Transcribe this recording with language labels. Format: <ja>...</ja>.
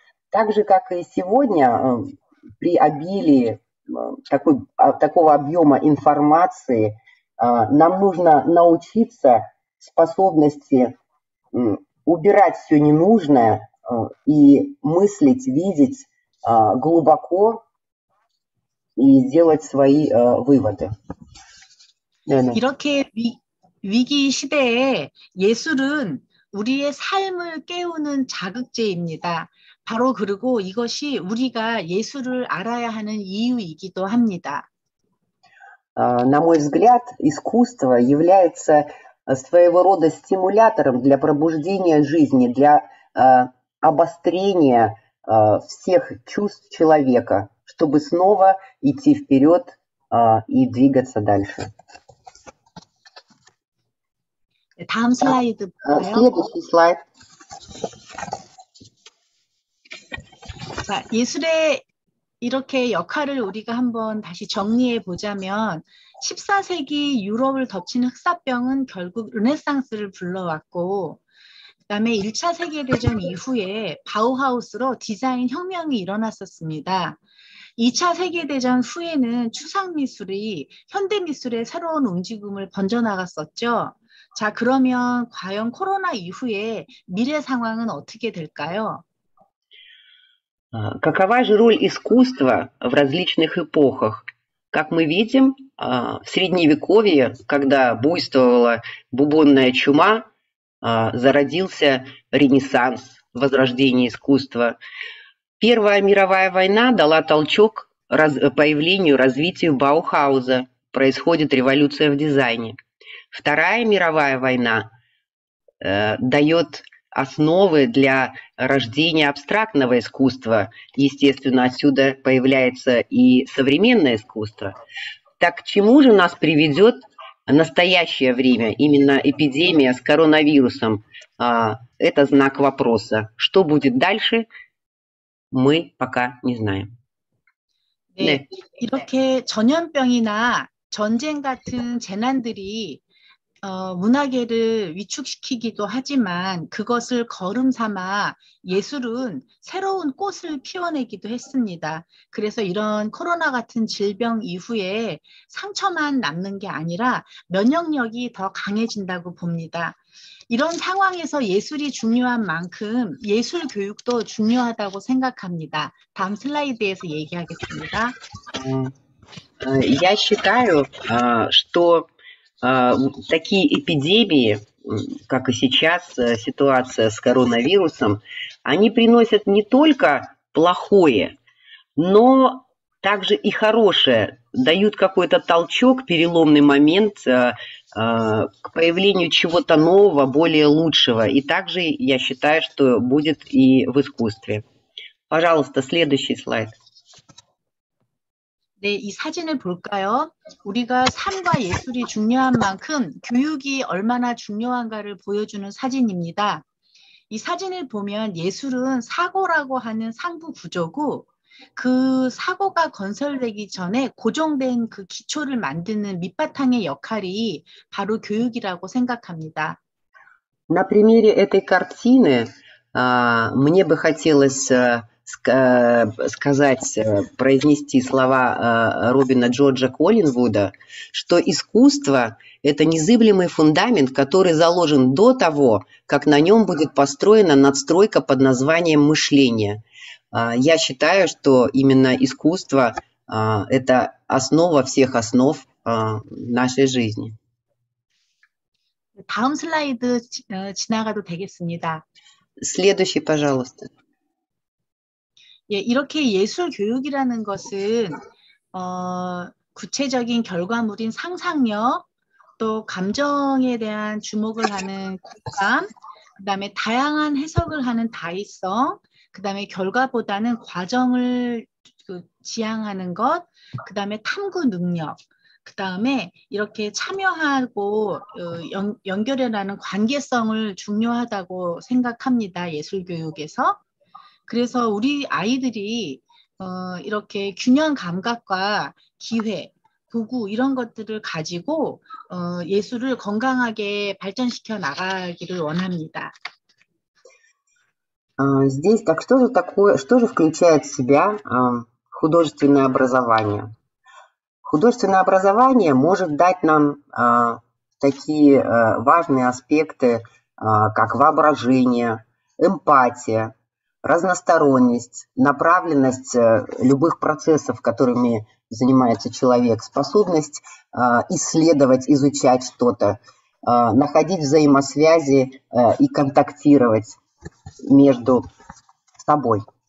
<ru>Так же, как и сегодня, при обилии такого объема информации, нам нужно научиться способности убирать все ненужное, и мыслить, видеть глубоко и сделать свои выводы.</ru> <ko>네네. 이렇게 위기 시대에 예술은 우리의 삶을 깨우는 자극제입니다. 바로 그리고 이것이 우리가 예술을 알아야 하는 이유이기도 합니다.</ko> <ru>На мой взгляд, искусство является своего рода стимулятором для пробуждения жизни, для обострение всех чувств человека, чтобы снова идти вперед и двигаться дальше.</ru> <ko>다음 슬라이드 볼까요? 슬라이드. 자, 예술의 이렇게 역할을 우리가 한번 다시 정리해 보자면 14세기 유럽을 덮친 흑사병은 결국 르네상스를 불러왔고 그다음에 1차 세계대전 이후에 바우하우스로 디자인 혁명이 일어났었습니다. 2차 세계대전 후에는 추상미술이 현대미술의 새로운 움직임을 번져나갔었죠. 자, 그러면 과연 코로나 이후에 미래 상황은 어떻게 될까요?</ko> <ru>Какова же роль искусства в различных эпохах? Как мы видим, в Средневековье, когда буйствовала бубонная чума, зародился Ренессанс, возрождение искусства. Первая мировая война дала толчок появлению, развитию Баухауза. Происходит революция в дизайне. Вторая мировая война дает основы для рождения абстрактного искусства. Естественно, отсюда появляется и современное искусство. Так к чему же нас приведет настоящее время, именно эпидемия с коронавирусом? Это знак вопроса. Что будет дальше, мы пока не знаем.</ru> <ko>네, 네. 이렇게 전염병이나 전쟁 같은 재난들이 문화계를 위축시키기도 하지만 그것을 거름 삼아 예술은 새로운 꽃을 피워내기도 했습니다. 그래서 이런 코로나 같은 질병 이후에 상처만 남는 게 아니라 면역력이 더 강해진다고 봅니다. 이런 상황에서 예술이 중요한 만큼 예술 교육도 중요하다고 생각합니다. 다음 슬라이드에서 얘기하겠습니다.</ko> <ru>Я считаю, что такие эпидемии, как и сейчас ситуация с коронавирусом, они приносят не только плохое, но также и хорошее, дают какой-то толчок, переломный момент к появлению чего-то нового, более лучшего. И также я считаю, что будет и в искусстве. Пожалуйста, следующий слайд.</ru> <ko>네, 이 사진을 볼까요? 우리가 삶과 예술이 중요한 만큼 교육이 얼마나 중요한가를 보여주는 사진입니다. 이 사진을 보면 예술은 사고라고 하는 상부 구조고 그 사고가 건설되기 전에 고정된 그 기초를 만드는 밑바탕의 역할이 바로 교육이라고 생각합니다.</ko> <ru>На примере этой картины, мне бы хотелось сказать, произнести слова Робина Джорджа Коллинвуда, что искусство – это незыблемый фундамент, который заложен до того, как на нем будет построена надстройка под названием мышление. Я считаю, что именно искусство – это основа всех основ нашей жизни.</ru> <ko>다음 슬라이드 지나가도 되겠습니다.</ko> <ru>Следующий, пожалуйста.</ru> <ko>예, 이렇게 예술 교육이라는 것은 구체적인 결과물인 상상력, 또 감정에 대한 주목을 하는 공감, 그 다음에 다양한 해석을 하는 다의성, 그 다음에 결과보다는 과정을 지향하는 것, 그 다음에 탐구 능력, 그 다음에 이렇게 참여하고 연결해라는 관계성을 중요하다고 생각합니다. 예술 교육에서. 그래서 우리 아이들이 이렇게 균형 감각과 기회, 도구 이런 것들을 가지고 예술을 건강하게 발전시켜 나가기를 원합니다.</ko> <ru>Здесь так что же такое, что же включает в себя художественное образование? Художественное образование может дать нам такие важные аспекты, как воображение, эмпатия, разносторонность, направленность любых процессов, которыми занимается человек, способность исследовать, изучать что-то, находить взаимосвязи и контактировать между собой.</ru>